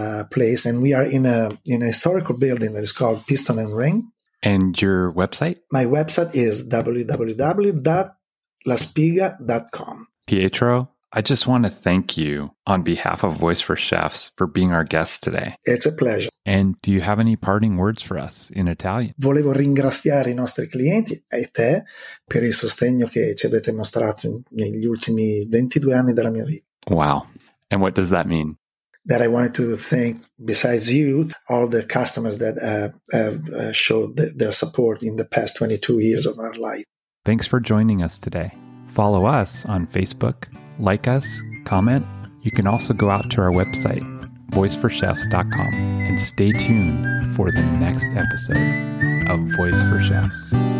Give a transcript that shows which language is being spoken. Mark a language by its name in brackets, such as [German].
[English] Place, and we are in a historical building that is called Piston and Ring. And your website? My website is www.laspiga.com. Pietro, I just want to thank you on behalf of Voice for Chefs for being our guest today. It's a pleasure. And do you have any parting words for us in Italian? [Italian] Volevo ringraziare i nostri clienti e te per il sostegno che ci avete mostrato negli ultimi 22 anni della mia vita. [English] Wow. And what does that mean? That I wanted to thank, besides you, all the customers that have showed their support in the past 22 years of our life. Thanks for joining us today. Follow us on Facebook, like us, comment. You can also go out to our website, voiceforchefs.com, and stay tuned for the next episode of Voice for Chefs.